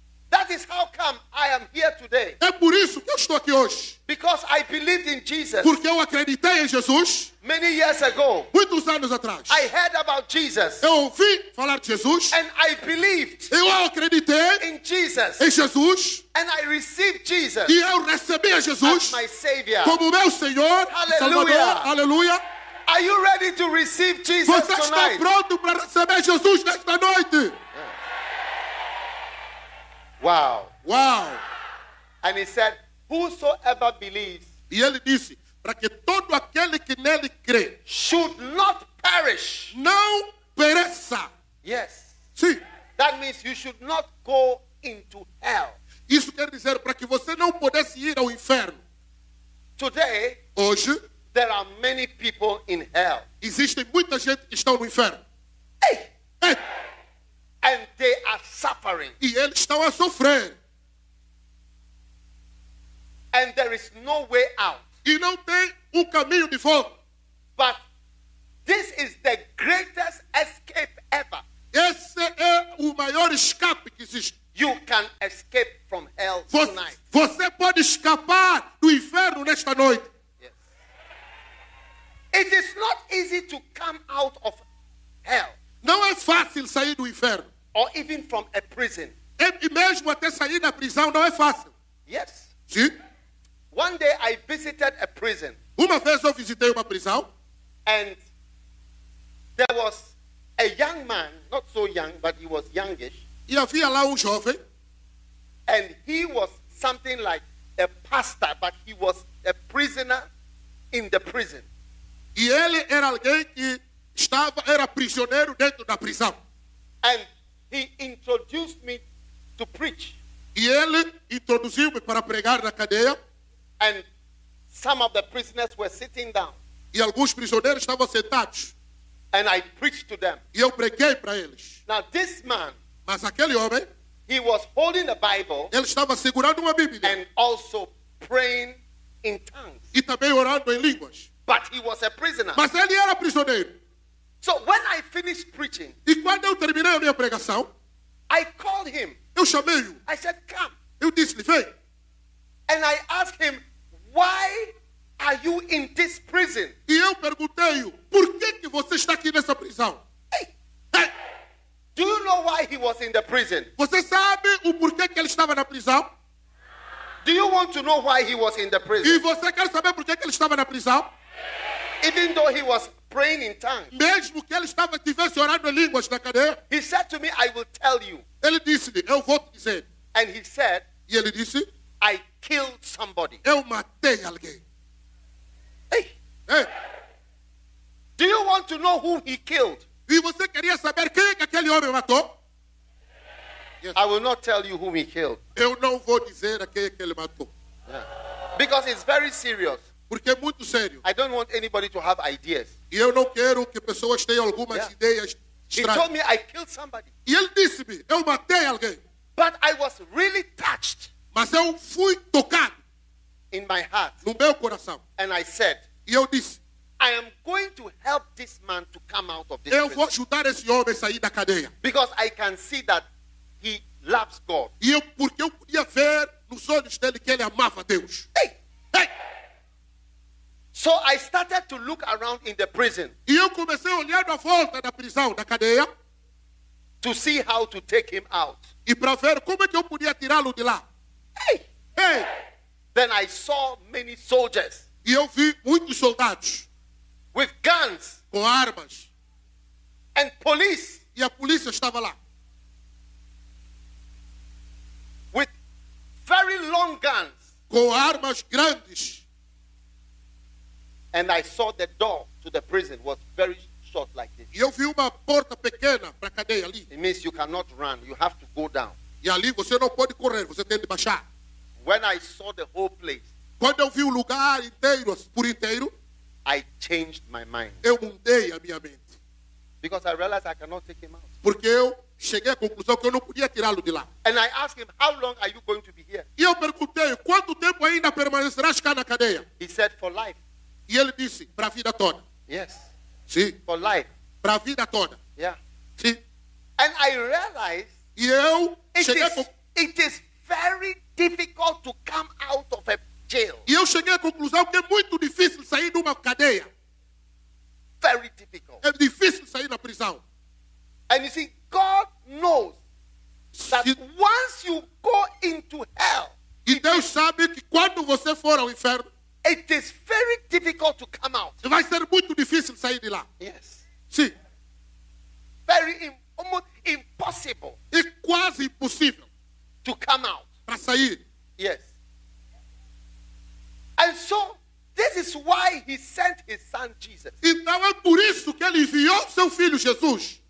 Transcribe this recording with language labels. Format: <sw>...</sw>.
<en>That is how come I am here today.</en> <pt>É por isso que eu estou aqui hoje.</pt> <en>Because I believed in Jesus.</en> <pt>Porque eu acreditei em Jesus.</pt> <en>Many years ago.</en> <pt>Muitos anos atrás.</pt> <en>I heard about Jesus.</en> <pt>Eu ouvi falar de Jesus.</pt> <en>And I believed.</en> <pt>Eu acreditei</pt> <en>in Jesus.</en> <pt>Em Jesus.</pt> <en>And I received Jesus.</en> <pt>E eu recebi a Jesus.</pt> <en>As my Savior.</en> <pt>Como meu Senhor. Aleluia. Aleluia.</pt> <en>Are you ready to receive Jesus tonight?</en> <pt>está pronto para receber Jesus nesta noite?</pt> <en>Wow. Wow. And he said, whosoever believes.</en> <pt>E ele disse, para que todo aquele que nele crê.</pt> <en>Should not perish.</en> <pt>Não pereça.</pt> <en>Yes.</en> <pt>Sim.</pt> <en>That means you should not go into hell.</en> <pt>Isso quer dizer, para que você não pudesse ir ao inferno.</pt> <en>Today.</en> <pt>Hoje.</pt> <en>There are many people in hell.</en> <pt>Existe muita gente que está no inferno. Ei. Ei.</pt> <en>And they are suffering.</en> <pt>E eles estão a sofrer.</pt> <en>And there is no way out.</en> <pt>E não tem caminho de fora.</pt> <en>But this is the greatest escape ever.</en> <pt>Esse é o maior escape que existe.</pt> <en>You can escape from hell tonight.</en> <pt>Você pode escapar do inferno nesta noite.</pt> <en>Yes. It is not easy to come out of hell.</en> <pt>Não é fácil sair do inferno.</pt> <en>Or even from a prison.</en> <pt>E mesmo até sair da prisão não é fácil.</pt> <en>Yes.</en> <pt>Sim.</pt> <en>One day I visited a prison.</en> <pt>Uma vez eu visitei uma prisão.</pt> <en>And there was a young man, not so young, but he was youngish.</en> <pt>E havia lá jovem.</pt> <en>And he was something like a pastor, but he was a prisoner in the prison.</en> <pt>E ele era alguém que estava, era prisioneiro dentro da prisão.</pt> <en>And he introduced me to preach.</en> <pt>E ele introduziu-me para pregar na cadeia.</pt> <en>And some of the prisoners were sitting down.</en> <pt>E alguns prisioneiros estavam sentados.</pt> <en>And I preached to them.</en> <pt>E eu preguei para eles.</pt> <en>Now this man,</en> <pt>mas aquele homem,</pt> <en>he was holding a Bible.</en> <pt>Ele estava segurando uma Bíblia.</pt> <en>And also praying in tongues.</en> <pt>E também orando em línguas.</pt> <en>But he was a prisoner.</en> <pt>Mas ele era prisioneiro.</pt> <en>So when I finished preaching,</en> <pt>e quando eu terminei a minha pregação,</pt> <en>I called him.</en> <pt>Eu chamei-o.</pt> <en>I said, come.</en> <pt>Eu disse-lhe, vem.</pt> <en>And I asked him, why are you in this prison?</en> <pt>E eu perguntei-o, por que que você está aqui nessa prisão?</pt> <en>Hey. Hey. Do you know why he was in the prison?</en> <pt>Você sabe o porquê que ele estava na prisão?</pt> <en>Do you want to know why he was in the prison?</en> <pt>E você quer saber por que ele estava na prisão?</pt> <en>Even though he was praying in tongues.</en> <pt>Mesmo que ele estava tivesse orando em línguas na cadeia.</pt> <en>He said to me, I will tell you.</en> <pt>Ele disse-lhe, eu vou te dizer.</pt> <en>And he said,</en> <pt>e ele disse,</pt> <en>I killed somebody.</en> <pt>Eu matei alguém.</pt> <en>Hey. Hey. Do you want to know who he killed?</en> <pt>E você queria saber quem é que aquele homem matou?</pt> <en>Yes. I will not tell you whom he killed.</en> <pt>Eu não vou dizer a quem é que ele matou.</pt> <en>Yeah. Because it's very serious.</en> <pt>Porque é muito sério.</pt> <en>I don't want anybody to have ideas.</en> <pt>E eu não quero que pessoas tenham algumas yeah. ideias estranhas.</pt> <en>He told me I killed somebody.</en> <pt>E ele disse-me, eu matei alguém.</pt> <en>But I was really touched.</en> <pt>Mas eu fui tocado.</pt> <en>In my heart.</en> <pt>No meu coração.</pt> <en>And I said,</en> <pt>e eu disse,</pt> <en>I am going to help this man to come out of this</en> <pt>prison. Eu vou ajudar esse homem a sair da cadeia.</pt> <en>Because I can see that he loves God.</en> <pt>E eu, porque eu podia ver nos olhos dele que ele amava Deus.</pt> <en>Hey. Hey. So I started to look around in the prison.</en> <pt>E eu comecei olhando à volta da prisão, da cadeia,</pt> <en>to see how to take him out.</en> <pt>E para ver como é que eu podia tirá-lo de lá.</pt> <en>Hey! Hey! Then I saw many soldiers.</en> <pt>E eu vi muitos soldados.</pt> <en>With guns.</en> <pt>Com armas.</pt> <en>And police.</en> <pt>E a polícia estava lá.</pt> <en>With very long guns.</en> <pt>Com armas grandes.</pt> <en>And I saw the door to the prison was very short like this.</en> <pt>E eu vi uma porta pequena para a cadeia ali.</pt> <en>It means you cannot run. You have to go down.</en> <pt>E ali você não pode correr. Você tem de baixar.</pt> <en>When I saw the whole place,</en> <pt>quando eu vi o lugar inteiro, por inteiro,</pt> <en>I changed my mind.</en> <pt>Eu mudei a minha mente.</pt> <en>Because I realized I cannot take him out.</en> <pt>Porque eu cheguei à conclusão que eu não podia tirá-lo de lá.</pt> <en>And I asked him, how long are you going to be here?</en> <pt>E eu perguntei, quanto tempo ainda permanecerás cá na cadeia?</pt> <en>He said, for life.</en> <pt>E ele disse, para a vida toda.</pt> <en>Yes.</en> <pt>Sim.</pt> <en>For life.</en> <pt>Para a vida toda.</pt> <en>Yeah.</en> <pt>Sim.</pt> <en>And I realized,</en> <pt>e eu cheguei à</pt> <en>conclusão, it is very difficult to come out of a jail.</en> <pt>E eu cheguei à conclusão que é muito difícil sair de uma cadeia.</pt> <en>Very difficult.</en> <pt>É difícil sair da prisão.</pt> <en>And you see, God knows that once you go into hell,</en> <pt>e Deus sabe que quando você for ao inferno,</pt> <en>it is very difficult to come out.</en> <pt>Vai ser muito difícil sair de lá.</pt> <en>Yes.</en> <pt>Sim.</pt> <en>Very almost impossible.</en> <pt>É quase impossível</pt> <en>to come out.</en> <pt>Para sair.</pt> <en>Yes. And so this is why he sent his son Jesus.</en> <pt>Então é por isso que ele enviou seu filho Jesus.</pt>